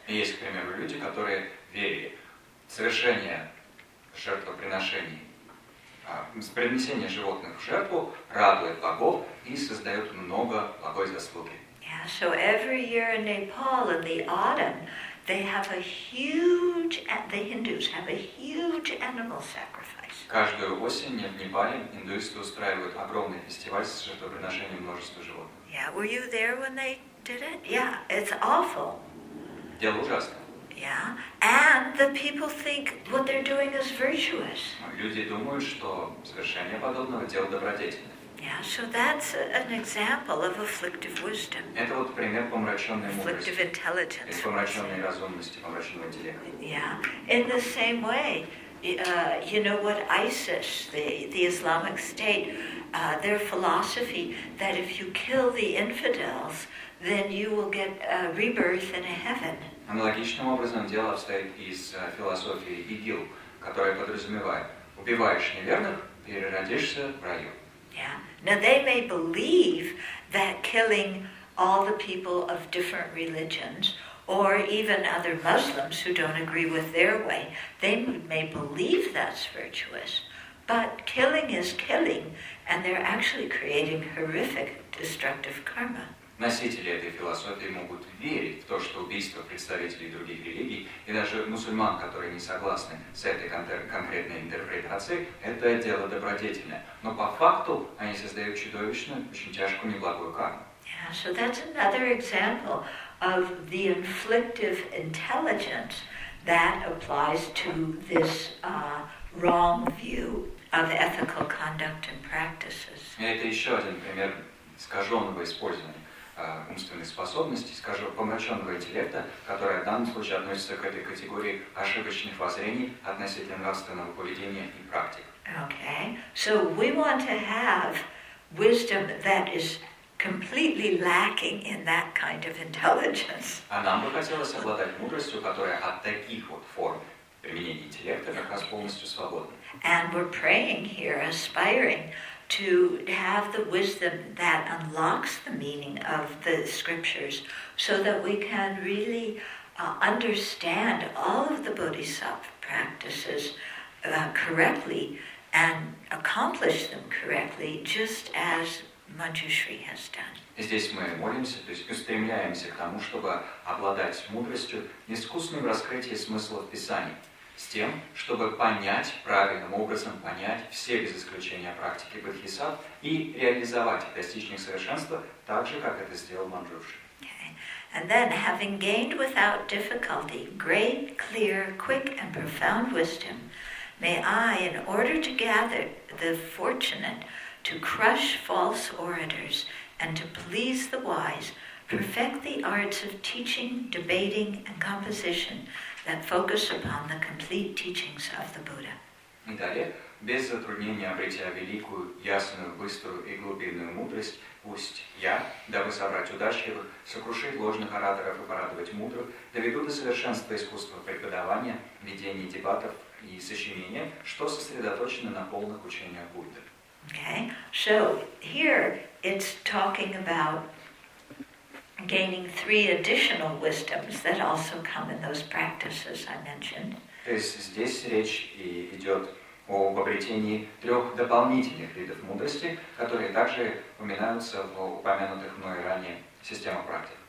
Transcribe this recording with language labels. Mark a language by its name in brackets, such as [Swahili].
[Russian] Есть, к примеру, люди, которые верили в совершение жертвоприношений. Принесение животных в жертву радует богов и создает много благой заслуги. [English] Yeah, so every year in Nepal in the autumn, the Hindus have a huge animal sacrifice. [Russian] Каждую осень в Непале индуисты устраивают огромный фестиваль с жертвоприношением множества животных. [English] Yeah, were you there when they did it? Yeah, it's awful. [Russian] Дело ужасно. [English] Yeah, and the people think what they're doing is virtuous. [Russian] Люди думают, что совершение подобного дело добродетельное. [English] Yeah, so that's an example of afflictive wisdom. [Russian] Это вот пример помраченной мудрости. [English] Afflictive intelligence. [Russian] Помраченной разумности, помраченного интеллекта. [English] Yeah, in the same way, you know what ISIS, the Islamic State, their philosophy that if you kill the infidels, then you will get a rebirth in a heaven. [Russian] Аналогичным образом дело обстоит и с философией ИГИЛ, которая подразумевает, убиваешь неверных, переродишься в раю. [English] Yeah. Now they may believe that killing all the people of different religions, or even other Muslims who don't agree with their way, they may believe that's virtuous. But killing is killing, and they're actually creating horrific destructive karma. [Russian] Носители этой философии могут верить в то, что убийство представителей других религий и даже мусульман, которые не согласны с этой конкретной интерпретацией, это дело добродетельное. Но по факту они создают чудовищную, очень тяжкую, неблагую карму. [English] Yeah, so that's another example of the inflictive intelligence that applies to this wrong view of ethical conduct and practices. [Russian] Это еще один пример искаженного использования умственных способностей, скажем, помраченного интеллекта, которая в данном случае относится к этой категории ошибочных воззрений относительно нравственного поведения и практик. [English] Okay, so we want to have wisdom that is completely lacking in that kind of intelligence. [Russian] А нам бы хотелось обладать мудростью, которая от таких вот форм применения интеллекта как раз полностью свободна. [English] And we're praying here, aspiring to have the wisdom that unlocks the meaning of the scriptures so that we can really understand all of the bodhisattva practices correctly and accomplish them correctly, just as Manjushri has done. [Russian] Здесь мы молимся, то есть устремляемся к тому, чтобы обладать мудростью, искусным раскрытием смысла в Писании. С тем, чтобы понять, правильным образом понять все без исключения практики бодхисаттв и реализовать, достичь их совершенства, так же, как это сделал Манджуши. [English] Okay. And then, having gained without difficulty great, clear, quick and profound wisdom, may I, in order to gather the fortunate, to crush false orators and to please the wise, perfect the arts of teaching, debating and composition, that focus upon the complete teachings of the Buddha. [Russian] Далее, без затруднения обретя великую, ясную, быструю и глубинную мудрость, пусть я, дабы собрать удачливых, сокрушить ложных ораторов и порадовать мудрых, доведу до совершенства искусства преподавания, ведения дебатов и сочинения, что сосредоточено на полных учениях Будды. [English] Okay, so here it's talking about gaining three additional wisdoms that also come in those practices I mentioned. [Russian] То есть здесь речь идет об обретении трех дополнительных видов мудрости, которые также упоминаются в упомянутых мной ранее системах практик.